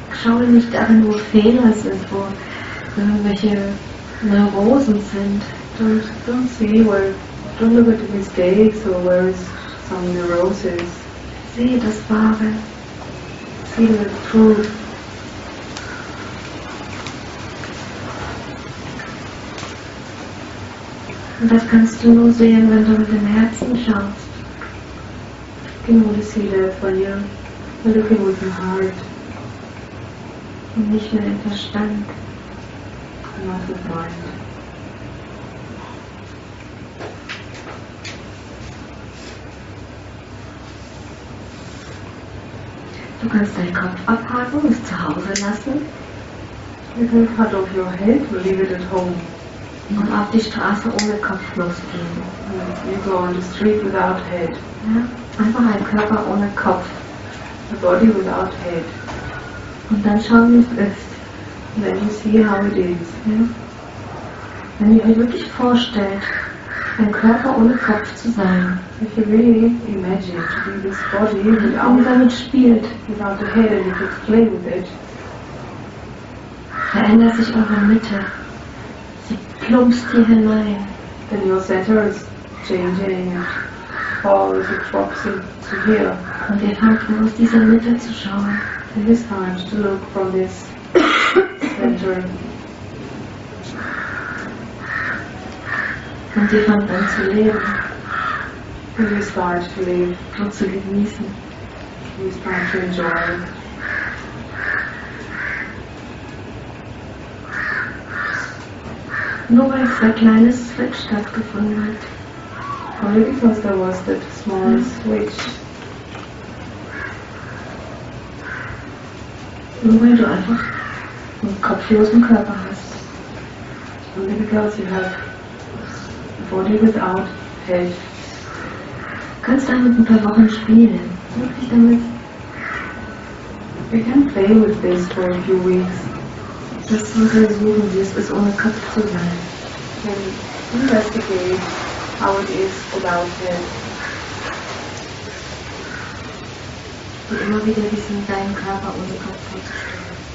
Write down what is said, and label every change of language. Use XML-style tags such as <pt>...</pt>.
<de>Schaue nicht darin, wo Fehler sind, wo irgendwelche Neurosen sind.</de> <en>Don't see where. Don't look at the mistakes or where is some neurosis.</en> <de>Sehe das Wahre.</de> <en>See the truth.</en> <de>Und das kannst du nur sehen, wenn du mit dem Herzen schaust.</de> <en>Can only see that when you're looking with your heart.</en> <de>Und nicht mit dem Verstand.</de> <en>Not with mind.</en> <de>Du kannst deinen Kopf abhaken und es zu Hause lassen.</de> <en>You can cut off your head, leave it at home.</en> <de>Und auf die Straße ohne Kopf losgehen.</de> <en>You go on the street without head.</en> <de>Ja, einfach ein Körper ohne Kopf.</de> <en>A body without head.</en> <de>Und dann schauen, wie es ist.</de> <en>And then you see how it is.</en> <de>Ja. Wenn du dir wirklich vorstellst, ein Körper ohne Kopf zu sein.</de> <en>If you really imagine to be this body without,</en> <de>damit spielt,</de> <en>without a head and you could play with it.</en> <de>Verändert sich eure Mitte. Sie plumpst hier hinein.</de> <en>Then your center is changing and falls it drops into here.</en> <de>Und ihr fangt nur aus dieser Mitte zu schauen.</de> <en>It is time to look from this center.</en> <de>Und ihr fangt an zu leben.</de> <en>And you start to live.</en> <de>Und zu genießen.</de> <en>You start to enjoy.</en> <de>Und Nur weil es ein kleines Switch stattgefunden hat.</de> <en>Only because there was that small switch.</en> <de>Nur weil du einfach einen kopflosen Körper hast.</de> <en>Only because you have a body without head.</en> <de>Kannst damit ein paar Wochen spielen. Wirklich damit.</de> <en>We can play with this for a few weeks.</en> <de>Das zu versuchen, wie es ist, ohne Kopf zu sein.</de> <en>Can investigate how it is without head.</en> <de>Und immer wieder diesen deinen Körper ohne Kopf vorzustellen.</de>